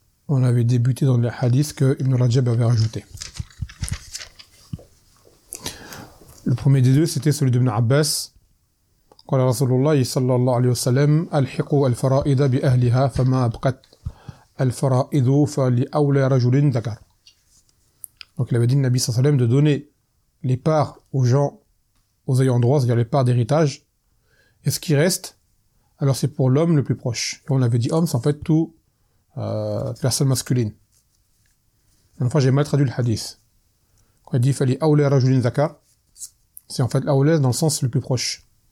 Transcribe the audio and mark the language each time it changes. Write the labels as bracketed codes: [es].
[fr] On avait débuté dans les hadiths que Ibn Rajab avait rajouté. Le premier des deux, c'était celui d'Ibn Abbas. [ar] قال رسول الله صلى الله عليه وسلم الحقوا الفرائض بأهلها فما أبقت الفرائض فلأولى رجل ذكر. [fr] Donc il avait dit [ar] النبي صلى الله عليه وسلم [fr] de donner les parts aux gens, aux ayants droit, c'est-à-dire les parts d'héritage. Et ce qui reste, alors c'est pour l'homme le plus proche. Et on avait dit homme, c'est en fait tout personne masculine. Une fois j'ai mal traduit le hadith. Quand il dit [ar] فلأولى رجل ذكر, [fr] c'est en fait الأولى dans le sens le plus proche.